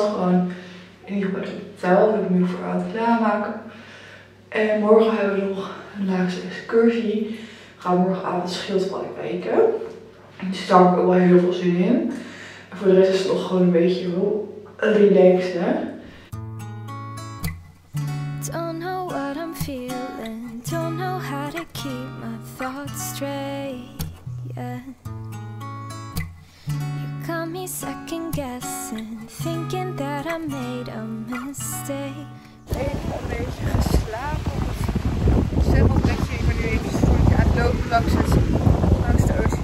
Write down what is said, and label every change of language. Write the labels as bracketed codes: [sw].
[nl] Gewoon in ieder geval het hotel. We hebben nu voor aan het klaarmaken. En morgen hebben we nog een laatste excursie. Gaan we morgenavond schildpadden kijken. En daar heb ik ook wel heel veel zin in. En voor de rest is het nog gewoon een beetje relaxed, hè. [en] Don't know what I'm feeling. Don't know how to keep my thoughts straight. Yeah. You got me second guessing. Thinking that I made a mistake. [nl] Even een beetje geslapen. Zelf een beetje, ik ben nu even een stukje aan het lopen langs het.